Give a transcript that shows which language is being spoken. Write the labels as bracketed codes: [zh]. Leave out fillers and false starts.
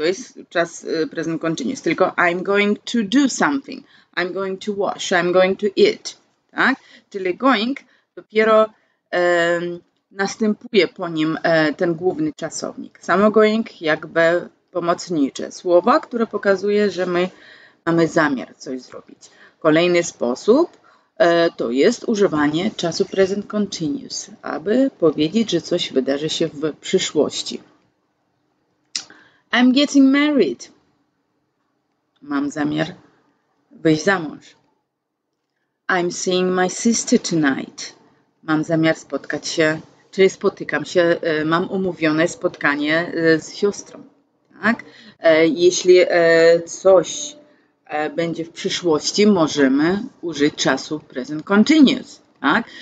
[pl] To jest czas present continuous, tylko [en] I'm going to do something, I'm going to wash, I'm going to eat, tak? [pl] Czyli going dopiero następuje po nim ten główny czasownik. Samo going jakby pomocnicze słowa, które pokazuje, że my mamy zamiar coś zrobić. Kolejny sposób to jest używanie czasu present continuous, aby powiedzieć, że coś wydarzy się w przyszłości. [en] I'm getting married. [pl] Mam zamiar wyjść za mąż. [en] I'm seeing my sister tonight. [pl] Mam zamiar spotkać się, czyli spotykam się, mam umówione spotkanie z siostrą. Tak? Jeśli coś będzie w przyszłości, możemy użyć czasu present continuous, tak?